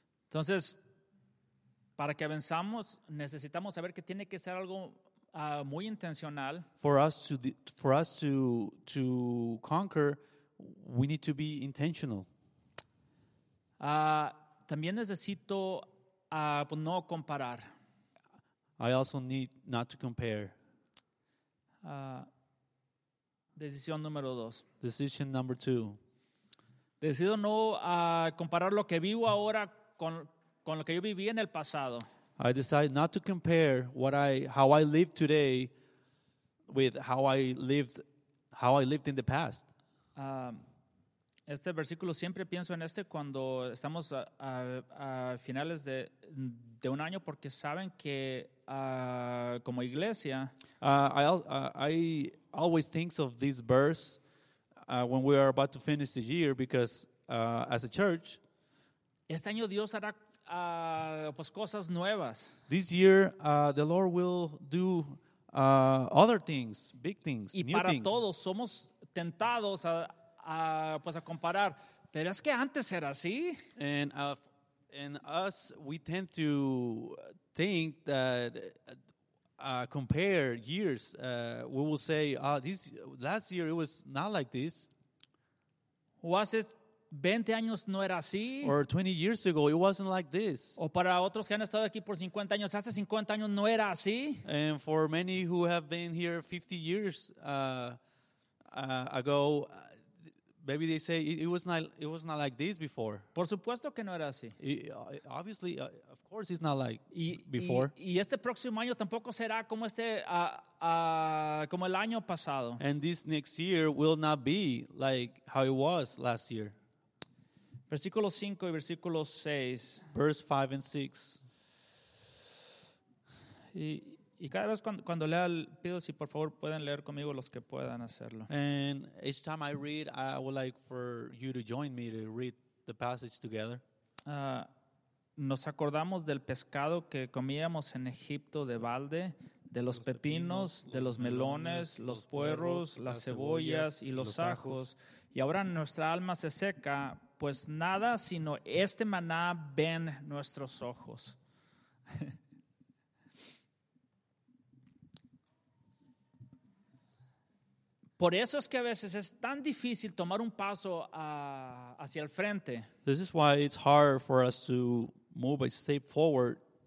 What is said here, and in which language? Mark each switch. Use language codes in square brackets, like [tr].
[es] Entonces, para que avanzamos, necesitamos saber que tiene que ser algo muy intencional. [en] For us to conquer, we need to be intentional. [es] También necesito no comparar. [en] I also need not to compare. [es] Decisión número dos. [en] Decision number two. [es] Decido no comparar lo que vivo ahora con lo que yo viví en el pasado. [en] I decided not to compare what I how I live today with how I lived in the past. [es] Este versículo siempre pienso en este cuando estamos a finales de un año porque saben que como iglesia. [en] I always think of this verse when we are about to finish the year because as a church. [es] Este año Dios hará pues cosas nuevas. [en] This year the Lord will do other things, big things, [es] y [en] new [es] para [en] things. [es] Todos somos tentados a comparar, pero es que antes era así. [en] And us, we tend to think that compare years. We will say, this last year it was not like this. [es] O hace 20 años no era así. [en] Or 20 years ago, it wasn't like this. [es] O para otros que han estado aquí por 50 años, hace 50 años no era así. [en] And for many who have been here 50 years ago. Maybe they say it was not like this before. [es] Por supuesto que no era así. [en] Obviously, of course, it's not like before. [es] Y este próximo año tampoco será como este como el año pasado. [en] And this next year will not be like how it was last year. [es] Versículo 5 y versículo 6. [en] Verse 5 and 6. [es] Y cada vez cuando lea, pido si por favor pueden leer conmigo los que puedan hacerlo. [en] And each time I read, I would like for you to join me to read the passage together. [es] Nos acordamos del pescado que comíamos en Egipto de balde, de los pepinos, de los melones, los puerros, las cebollas y los ajos. Y ahora nuestra alma se seca, pues nada sino este maná ven nuestros ojos. Por eso es que a veces es tan difícil tomar un paso hacia el frente. [en] This is why it's hard for us to move a step forward.